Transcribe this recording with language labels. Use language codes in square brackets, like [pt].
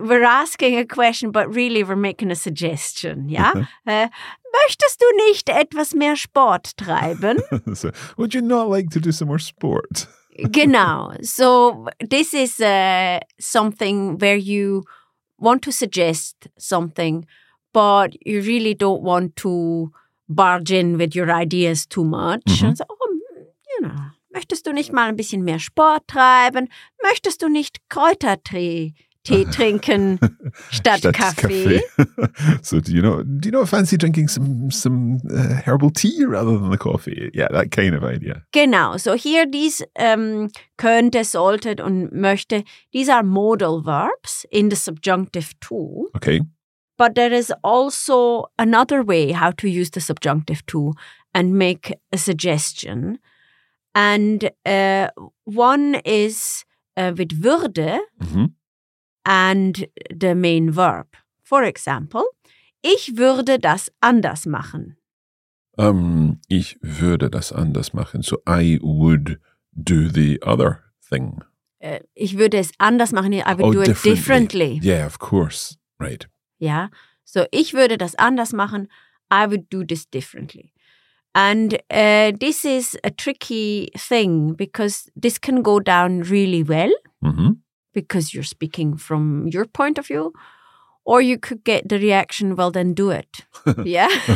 [en] We're asking a question, but really we're making a suggestion. [de] Ja? Möchtest du nicht etwas mehr Sport treiben? [en] So, would you not like to do some more sport? [de] Genau. [en] So this is something where you want to suggest something, but you really don't want to barge in with your ideas too much. Mm-hmm. And so, oh, you know, [de] möchtest du nicht mal ein bisschen mehr Sport treiben? Möchtest du nicht Kräutertee trinken statt Kaffee? [en] So do you not fancy drinking some herbal tea rather than the coffee? Yeah, that kind of idea. Genau. So here these könnte, sollte und möchte, these are modal verbs in the subjunctive too. Okay. But there is also another way how to use the subjunctive to and make a suggestion. And one is with würde mm-hmm. and the main verb. For example, [de] ich würde das anders machen. Ich würde das anders machen. [en] So I would do the other thing. [de] Ich würde es anders machen. [en] I would do it differently. Yeah, of course. Right. Yeah. [de] So ich würde das anders machen. [en] I would do this differently. And this is a tricky thing because this can go down really well because you're speaking from your point of view, or you could get the reaction, well, then do it. Yeah.